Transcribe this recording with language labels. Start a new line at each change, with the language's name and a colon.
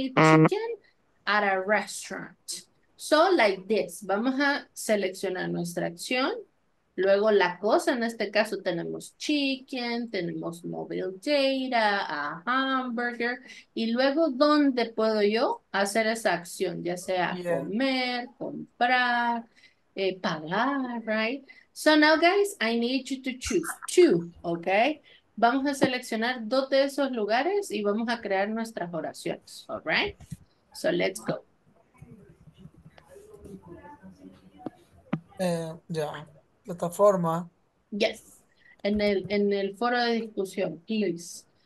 English: Yeah. You can eat chicken at a restaurant. So, like this.
Spanish: Vamos a seleccionar nuestra acción. Luego, la cosa, en este caso, tenemos chicken, tenemos mobile data, a hamburger. Y luego, ¿dónde puedo yo hacer esa acción? Ya sea comer, comprar, pagar, right?
English: So now, guys, I need you to choose two, okay?
Spanish: Vamos a seleccionar dos de esos lugares y vamos a crear nuestras oraciones, all right?
English: So let's go.
Spanish: Plataforma. Yes. En el foro de discusión, please.